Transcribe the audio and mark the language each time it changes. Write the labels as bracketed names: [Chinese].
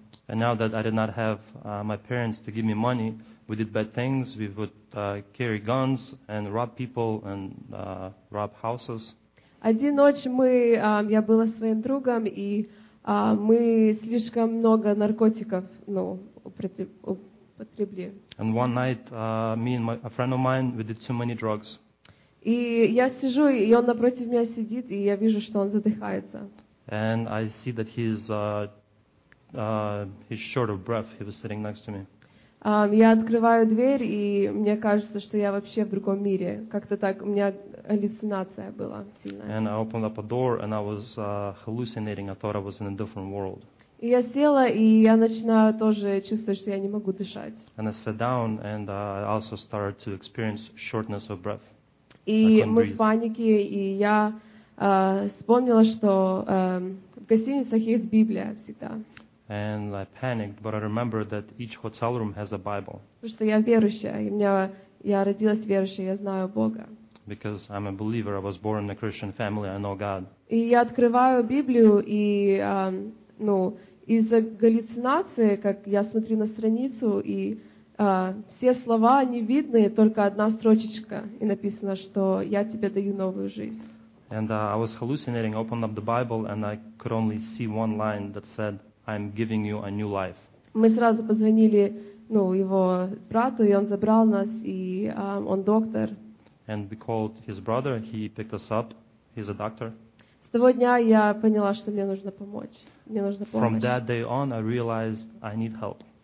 [English] And now that I did not have my parents to give me money, we did bad things, we would carry guns and rob people and rob houses. [Russian] Один ночь я была с своим другом, и мы слишком много наркотиков, ну, употребили. [English] And one night me and a friend of mine we did too many drugs. [Russian] И я сижу, и он напротив меня сидит, и я вижу, что он задыхается. [English] And I see that he's short of breath. He was sitting next to me. [Russian] Я открываю дверь, и мне кажется, что я вообще в другом мире. Как-то так у меня галлюцинация была сильная. [English] And I opened up a door, and I was hallucinating. I thought I was in a different world. [Russian] И я села, и я начинаю тоже чувствовать, что я не могу дышать. [English] And I sat down, and I also started to experience shortness of breath. [Russian] И мы в панике, и я вспомнила, что в гостиницах есть Библия всегда. [English] And I panicked, but I remembered that each hotel room has a Bible. [Russian] Потому что я верующая, и я родилась верующей, я знаю Бога. [English] Because I'm a believer, I was born in a Christian family, I know God. [Russian] И я открываю Библию, и из-за галлюцинации, как я смотрю на страницу, и все слова не видны, только одна строчечка, и написано, что я тебе даю новую жизнь. [English] And I was hallucinating, I opened up the Bible, and I could only see one line that said, I'm giving you a new life. [Russian] Мы сразу позвонили, его брату, и он забрал нас, и он доктор. [English] And we called his brother, he picked us up, he's a doctor. [Russian] С того дня я поняла, что мне нужно помочь, мне нужна помощь. [English] From that day on, I realized I need help.